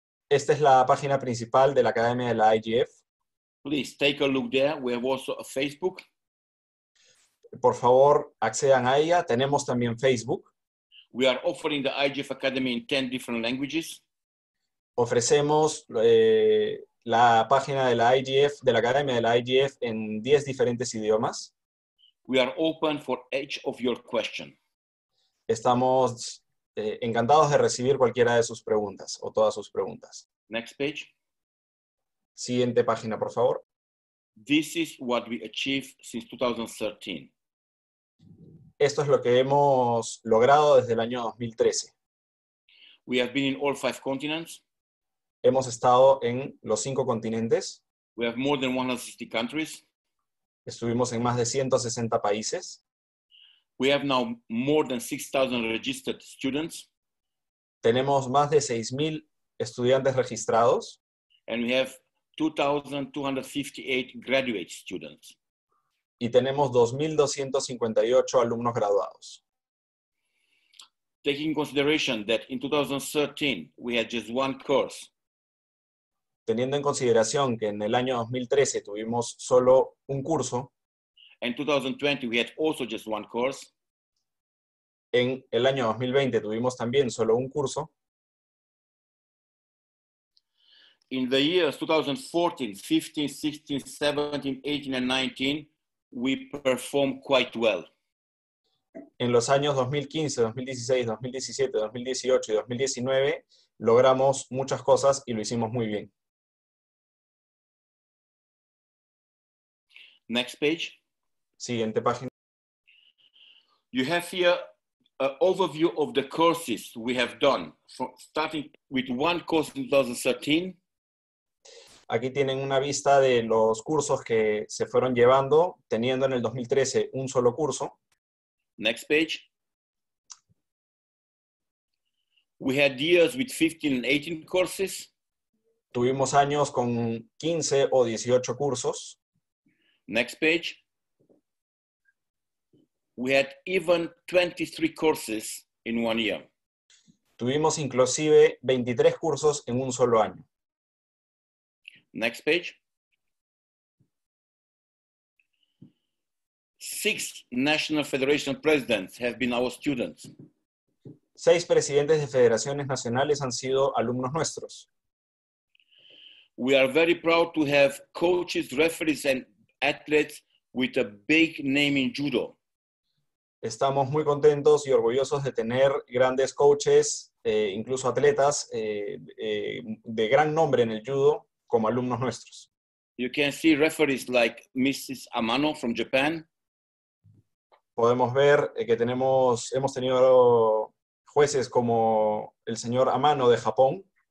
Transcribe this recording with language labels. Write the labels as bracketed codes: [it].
[es] Esta es la página principal de la Academia de la IGF. [en] Please take a look there. We have also a Facebook. [es] Por favor, accedan a ella. Tenemos también Facebook. [en] We are offering the IGF Academy in 10 different languages. [es] Ofrecemos la página de la IGF, de la Academia de la IGF, en 10 diferentes idiomas. [en] We are open for each of your questions. [es] Estamos encantados de recibir cualquiera de sus preguntas o todas sus preguntas. [en] Next page. [es] Siguiente página, por favor. [en] This is what we achieved since 2013. [es] Esto es lo que hemos logrado desde el año 2013. [en] We have been in all 5 continents. [es] Hemos estado en los 5 continentes. [en] We have more than 160 countries. [es] Estuvimos en más de 160 países. [en] We have now more than 6,000 registered students. [es] Tenemos más de 6,000 estudiantes registrados. [en] And we have 2,258 graduate students. [es] Y tenemos 2,258 alumnos graduados. [en] Taking consideration that in 2013 we had just one course. [es] Teniendo en consideración que en el año 2013 tuvimos solo un curso. [en] In 2020 we had also just one course. [es] En el año 2020 tuvimos también solo un curso. [en] In the years 2014, 15, 16, 17, 18 and 19 we perform quite well. [es] En los años 2015, 2016, 2017, 2018 y 2019 logramos muchas cosas y lo hicimos muy bien. [en] Next page. [es] Siguiente página. [en] You have here an overview of the courses we have done, starting with one course in 2013. [es] Aquí tienen una vista de los cursos que se fueron llevando, teniendo en el 2013 un solo curso. [en] Next page. We had years with 15 and 18 courses. [es] Tuvimos años con 15 o 18 cursos. [en] Next page. We had even 23 courses in one year. [es] Tuvimos inclusive 23 cursos en un solo año. [en] Next page. 6 national federation presidents have been our students. [es] 6 presidentes de federaciones nacionales han sido alumnos nuestros. [en] We are very proud to have coaches, referees and athletes with a big name in judo. [es] Estamos muy contentos y orgullosos de tener grandes coaches, incluso atletas de gran nombre en el judo como alumnos nuestros. [en] You can see referees like Mrs. Amano from Japan. [es] Podemos ver que hemos tenido jueces como el señor Amano de Japón.